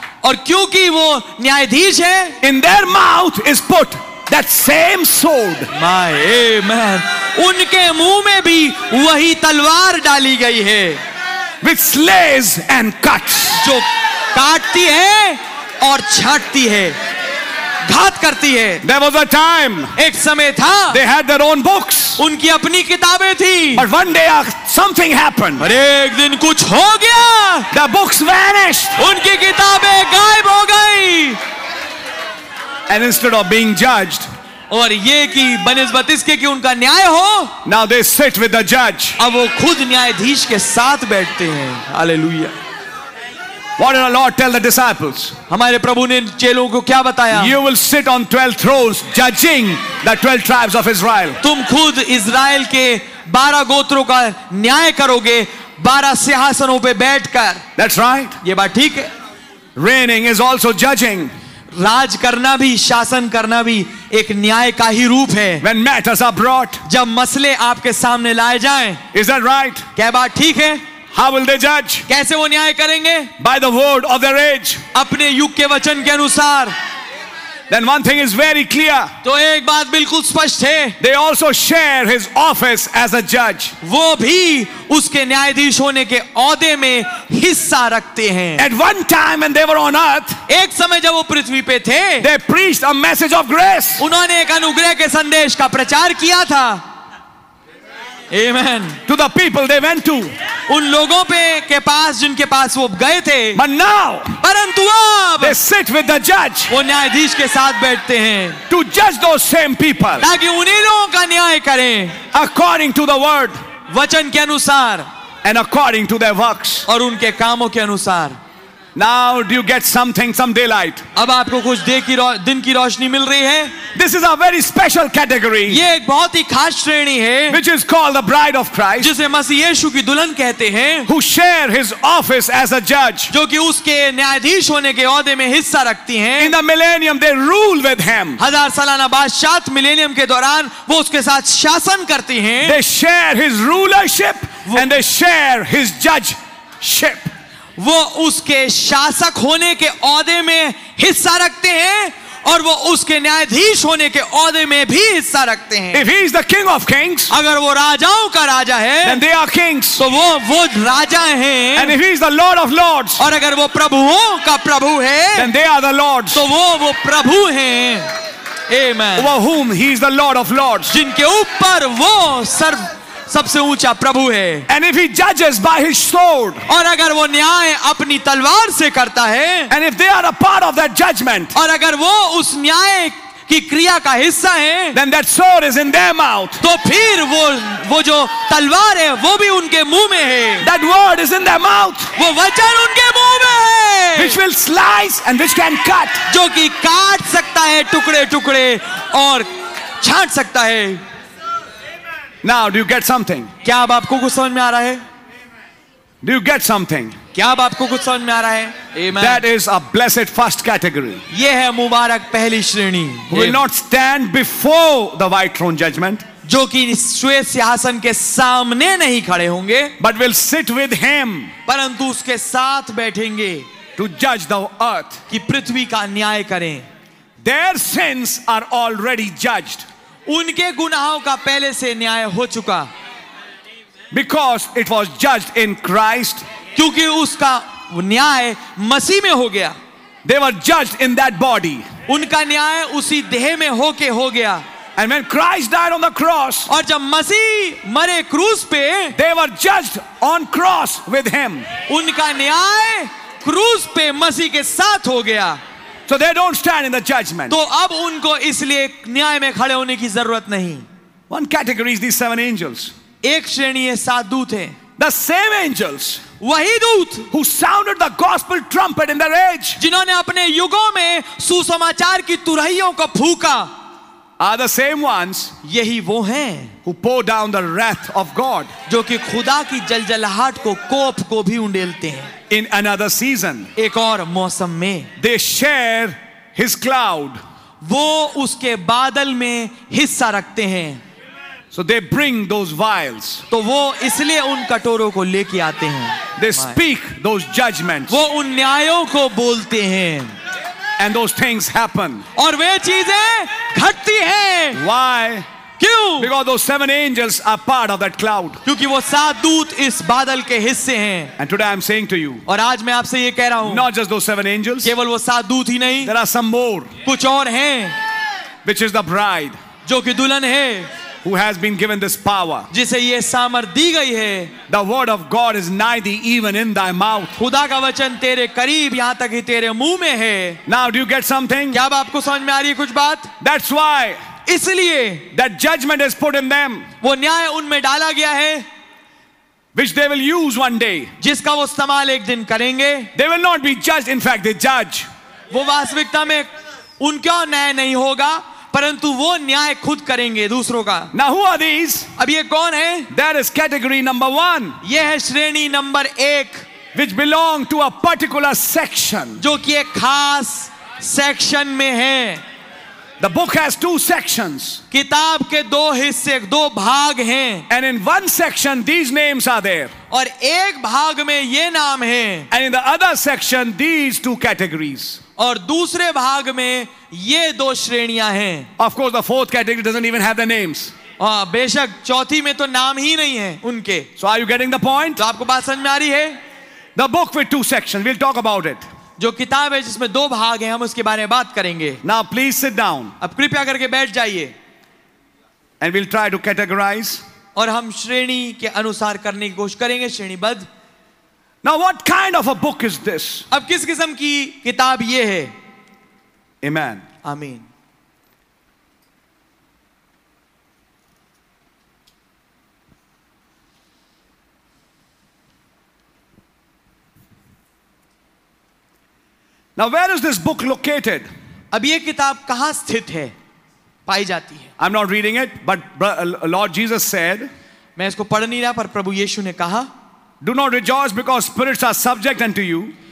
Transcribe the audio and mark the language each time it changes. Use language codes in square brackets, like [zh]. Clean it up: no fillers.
[hi] और क्योंकि वो न्यायाधीश है, [en] in their mouth is put that same sword. My amen. [hi] उनके मुंह में भी वही तलवार डाली गई है. [en] Which slays and cuts. [hi] जो काटती है और छाटती है, घात करती है. [en] There was a time. [hi] एक समय था. [en] They had their own books. [hi] उनकी अपनी किताबें थी. [en] But one day something happened. [hi] और एक दिन कुछ हो गया. [en] The books vanished. [hi] उनकी किताबें गायब हो गई. [en] And instead of being judged, [hi] और ये कि बनिस्बत इसके कि उनका न्याय हो, [en] now they sit with the judge. [hi] अब वो खुद न्यायाधीश के साथ बैठते हैं. Hallelujah. [en] What did the Lord tell the disciples? [hi] हमारे प्रभु ने चेलों को क्या बताया? [en] You will sit on 12 thrones judging the 12 tribes of Israel. [hi] तुम खुद इज़राइल के 12 गोत्रों का न्याय करोगे 12 सिंहासनों पे बैठकर. [en] That's right. [hi] ये बात ठीक है. [en] Reigning is also judging. [hi] राज करना भी, शासन करना भी एक न्याय का ही रूप है. [en] When matters are brought, [hi] जब मसले आपके सामने लाए जाएं, [en] is that right? [hi] क्या बात ठीक है? [en] How will they judge? [hi] कैसे वो न्याय करेंगे? [en] By the word of their age. [hi] अपने युग के वचन के अनुसार. [en] Then one thing is very clear. [hi] तो एक बात बिल्कुल स्पष्ट है. [en] They also share his office as a judge. [hi] वो भी उसके न्यायाधीश होने के ओहदे में हिस्सा रखते हैं. [en] At one time when they were on earth, [hi] एक समय जब वो पृथ्वी पे थे, [en] they preached a message of grace. [hi] उन्होंने एक अनुग्रह के संदेश का प्रचार किया था. [en] Amen. To the people they went to. [hi] उन लोगों पे के पास जिनके पास वो गए थे. [en] But now, [hi] परंतु अब, [en] they sit with the judge. [hi] वो न्यायाधीश के साथ बैठते हैं. [en] To judge those same people. [hi] ताकि उन्हीं लोगों का न्याय करें. [en] According to the word. [hi] वचन के अनुसार. [en] And according to their works. [hi] और उनके कामों के अनुसार. [en] Now do you get something, some daylight? [hi] अब आपको कुछ दिन की रोशनी मिल रही है. [en] This is a very special category. [hi] ये एक बहुत ही खास श्रेणी है. [en] Which is called the bride of Christ. [hi] जिसे मसीह यीशु की दुल्हन कहते हैं. [en] Who share his office as a judge. [hi] जो कि उसके न्यायाधीश होने के ओहदे में हिस्सा रखती हैं. [en] In the millennium they rule with him. [hi] हजार सालाना बादशाहत मिलेनियम के दौरान वो उसके साथ शासन करती हैं. [en] They share his rulership and they share his judgeship. [hi] वो उसके शासक होने के ओहदे में हिस्सा रखते हैं और वो उसके न्यायाधीश होने के ओहदे में भी हिस्सा रखते हैं। [en] If he is the king of kings, [hi] अगर वो राजाओं का राजा है, [en] then they are kings. [hi] तो वो राजा हैं। [en] And if he is the lord of lords, [hi] और अगर वो प्रभुओं का प्रभु है, [en] then they are the lords. [hi] तो वो प्रभु हैं। Amen. [en] Over whom he is the lord of lords. [hi] जिनके ऊपर वो सर्व सबसे ऊंचा प्रभु है। [en] And if he judges by his sword, [hi] और अगर वो न्याय अपनी तलवार से करता है, [en] and if they are a part of that judgment, [hi] और अगर वो उस न्याय की क्रिया का हिस्सा है, [en] then that sword is in their mouth, [hi] तो फिर वो जो तलवार है वो भी उनके मुंह में है। [en] That word is in their mouth, [hi] वो वचन उनके मुंह में है, [en] which will slice and which can cut, [hi] जो कि काट सकता है टुकड़े टुकड़े और छांट सकता है। [en] Now, do you get something? [hi] क्या अब आपको कुछ समझ में आ रहा है? [en] Do you get something? [hi] क्या अब आपको कुछ समझ में आ रहा है? [en] Amen. That is a blessed first category. [hi] ये है मुबारक पहली श्रेणी. [en] Who will not stand before the white throne judgment? [hi] जो कि श्वेत सिंहासन के सामने नहीं खड़े होंगे. [en] But will sit with him. [hi] परंतु उसके साथ बैठेंगे. [en] To judge the earth. [hi] कि पृथ्वी का न्याय करें. [en] Their sins are already judged. [hi] उनके गुनाहों का पहले से न्याय हो चुका, [en] because it was judged in Christ, [hi] क्योंकि उसका न्याय मसीह में हो गया, [en] they were judged in that body, [hi] उनका न्याय उसी देह में होके हो गया, [en] and when Christ died on the cross, [hi] और जब मसीह मरे क्रूस पे, [en] they were judged on cross with him, [hi] उनका न्याय क्रूस पे मसीह के साथ हो गया। [en] So they don't stand in the judgment. [hi] तो अब उनको इसलिए न्याय में खड़े होने की जरूरत नहीं। [en] One category is these seven angels. [hi] एक श्रेणी सात दूत हैं। [en] The same angels. [hi] वही दूत। [en] Who sounded the gospel trumpet in their age. [hi] जिन्होंने अपने युगों में सुसमाचार की तुरहियों को फूंका। [en] Are the same ones. [hi] यही वो हैं। [en] Who pour down the wrath of God. [hi] जो कि खुदा की जलजलाहट को कोप को भी उंडेलते हैं। [en] In another season, [hi] एक और मौसम में, [en] they share his cloud, [hi] वो उसके बादल में हिस्सा रखते हैं, [en] so they bring those vials, [hi] तो वो इसलिए उन कटोरों को लेके आते हैं, [en] they speak those judgments, [hi] वो उन न्यायों को बोलते हैं, [en] and those things happen, [hi] और वे चीजें घटती हैं, [en] why? [hi] क्यों? [en] Because those seven angels are part of that cloud. [hi] क्योंकि वो सात दूत इस बादल के हिस्से हैं. [en] And today I'm saying to you. [hi] और आज मैं आपसे ये कह रहा हूँ. [en] Not just those seven angels. [hi] केवल वो सात दूत ही नहीं. [en] There are some more. [hi] कुछ और हैं. [en] Which is the bride. [hi] जो कि दुल्हन है. [en] Who has been given this power. [hi] जिसे ये सामर्थ दी गई है. [en] The word of God is nigh thee even in thy mouth. [hi] खुदा का वचन तेरे करीब यहाँ तक ही तेरे मुंह में है. [en] Now do you get something? [hi] क्या आपको समझ में आ रही है कुछ बात? [en] That's why. [hi] इसलिए [en] that judgment is put in them, [hi] वो न्याय उनमें डाला गया है, [en] which they will use one day, [hi] जिसका वो इस्तेमाल एक दिन करेंगे, [en] they will not be judged, in fact they judge, [hi] वो वास्तविकता में उनका न्याय नहीं होगा, परंतु वो न्याय खुद करेंगे दूसरों का। [en] Now who are these? [hi] अब ये कौन है? [en] That is category number one, [hi] ये है श्रेणी नंबर एक, [en] which belong to a particular section, [hi] जो कि एक खास सेक्शन में है। [en] The book has two sections. [hi] किताब के दो हिस्से दो भाग हैं. [en] And in one section these names are there. [hi] और एक भाग में ये नाम हैं. [en] And in the other section these two categories. [hi] और दूसरे भाग में ये दो श्रेणियां हैं. [en] Of course the fourth category doesn't even have the names. [hi] बेशक चौथी में तो नाम ही नहीं है उनके. [en] So are you getting the point? [hi] तो आपको बात समझ में आ रही है? [en] The book with two sections. We'll talk about it. [hi] जो किताब है जिसमें दो भाग हैं हम उसके बारे में बात करेंगे। [en] Now please sit down. [hi] अब कृपया करके बैठ जाइए। [en] And we'll try to categorize. [hi] और हम श्रेणी के अनुसार करने की कोशिश करेंगे श्रेणीबद्ध। [en] Now what kind of a book is this? [hi] अब किस किस्म की किताब ये है? [en] Amen. [hi] आमीन। [en] Now where is this book located? [hi] अब ये किताब कहाँ स्थित है? पाई जाती है। [en] I'm not reading it, but Lord Jesus said. [hi] मैं इसको पढ़ नहीं रहा पर प्रभु यीशु ने कहा। [en] Do not rejoice because spirits are subject unto you.